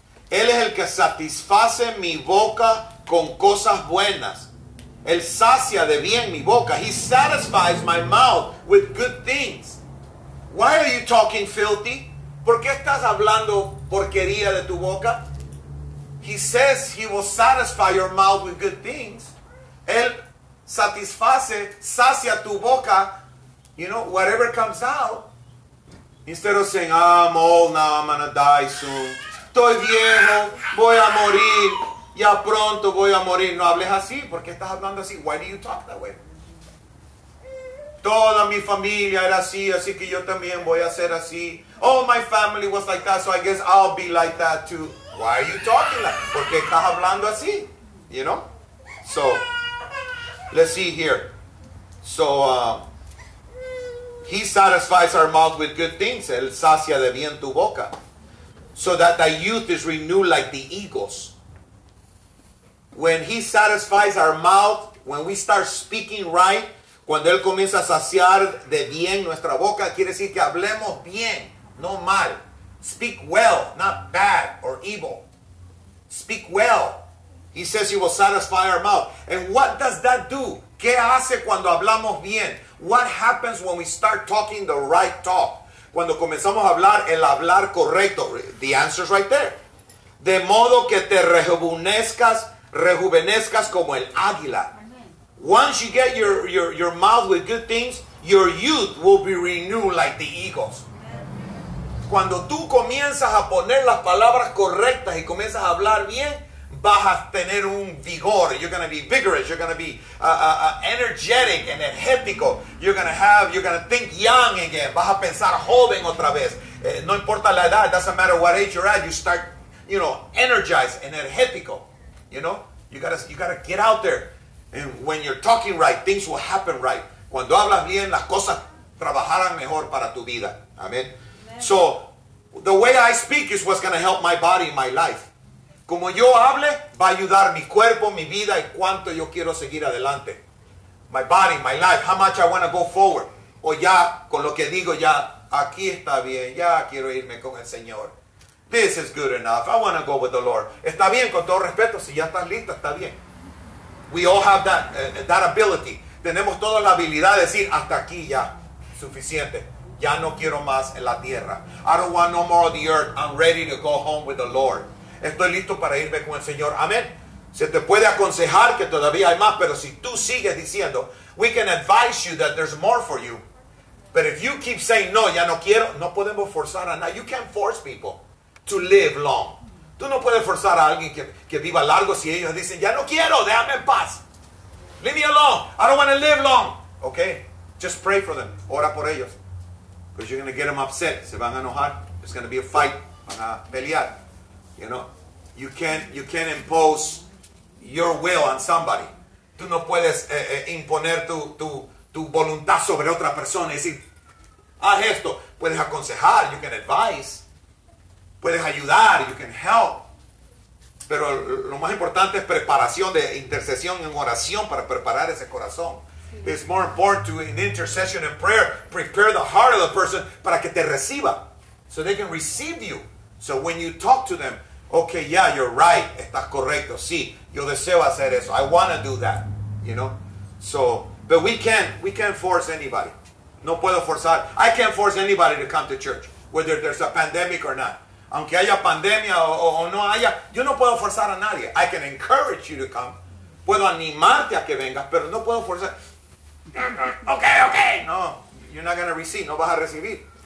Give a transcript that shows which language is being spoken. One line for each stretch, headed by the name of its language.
Spanish: Él es el que satisface mi boca con cosas buenas. Él sacia de bien mi boca.
English: He satisfies my mouth with good things. Why are you talking filthy?
Spanish: ¿Por qué estás hablando porquería de tu boca?
English: He says he will satisfy your mouth with good things.
Spanish: Él satisface, sacia tu boca,
English: you know, whatever comes out. Instead of saying, I'm old now, I'm gonna die soon.
Spanish: Estoy viejo, voy a morir. Ya pronto voy a morir. No hables así. ¿Por qué estás hablando así?
English: Why do you talk that way?
Spanish: Toda mi familia era así, así que yo también voy a ser así.
English: All my family was like that, so I guess I'll be like that too. Why are you talking like that?
Spanish: ¿Por qué estás hablando así?
English: You know? So, let's see here. So, He satisfies our mouth with good things.
Spanish: Él sacia de bien tu boca.
English: So that thy youth is renewed like the eagles. When He satisfies our mouth, when we start speaking right,
Spanish: cuando Él comienza a saciar de bien nuestra boca, quiere decir que hablemos bien, no mal.
English: Speak well, not bad or evil. Speak well. He says He will satisfy our mouth. And what does that do?
Spanish: ¿Qué hace cuando hablamos bien?
English: What happens when we start talking the right talk?
Spanish: Cuando comenzamos a hablar, el hablar correcto.
English: The answer is right there.
Spanish: De modo que te rejuvenezcas como el águila.
English: Once you get your mouth with good things, your youth will be renewed like the eagles.
Spanish: Cuando tú comienzas a poner las palabras correctas y comienzas a hablar bien, vas a tener un vigor.
English: You're going to be vigorous. You're going to be energetic and energético. You're going to think young again.
Spanish: Vas a pensar joven otra vez. No importa la edad.
English: It doesn't matter what age you're at. You start, you know, energized, energético. You know, you gotta get out there. And when you're talking right, things will happen right.
Spanish: Cuando hablas bien, las cosas trabajarán mejor para tu vida.
English: Amen. So, the way I speak is what's going to help my body and my life.
Spanish: Como yo hable, va a ayudar mi cuerpo, mi vida y cuánto yo quiero seguir adelante.
English: My body, my life, how much I want to go forward.
Spanish: O ya, con lo que digo, ya, aquí está bien, ya quiero irme con el Señor.
English: This is good enough, I want to go with the Lord.
Spanish: Está bien, con todo respeto, si ya estás lista, está bien.
English: We all have that ability.
Spanish: Tenemos toda la habilidad de decir, hasta aquí ya, suficiente. Ya no quiero más en la tierra.
English: I don't want no more of the earth, I'm ready to go home with the Lord.
Spanish: Estoy listo para irme con el Señor. Amén. Se te puede aconsejar que todavía hay más, pero si tú sigues diciendo,
English: we can advise you that there's more for you. But if you keep saying,
Spanish: no, ya no quiero, no podemos forzar a nadie.
English: You can't force people to live long.
Spanish: Tú no puedes forzar a alguien que viva largo si ellos dicen, ya no quiero, déjame en paz.
English: Leave me alone. I don't want to live long. Okay. Just pray for them.
Spanish: Ora por ellos.
English: Because you're going to get them upset.
Spanish: Se van a enojar.
English: It's going to be a fight.
Spanish: Van a pelear.
English: You know, you can't impose your will on somebody.
Spanish: Tú no puedes imponer tu voluntad sobre otra persona y decir, haz esto. Puedes aconsejar,
English: you can advise.
Spanish: Puedes ayudar,
English: you can help.
Spanish: Pero lo más importante es preparación de intercesión en oración para preparar ese corazón.
English: Sí. It's more important to in intercession and prayer, prepare the heart of the person
Spanish: para que te reciba.
English: So they can receive you. So when you talk to them, okay, yeah, you're right.
Spanish: Estás correcto. Sí, yo deseo hacer eso.
English: I want to do that, you know. So, but we can't force anybody.
Spanish: No puedo forzar.
English: I can't force anybody to come to church, whether there's a pandemic or not.
Spanish: Aunque haya pandemia o no haya, yo no puedo forzar a nadie.
English: I can encourage you to come.
Spanish: Puedo animarte a que vengas, pero no puedo forzar.
English: Okay. No, you're not going to receive.
Spanish: No vas a recibir.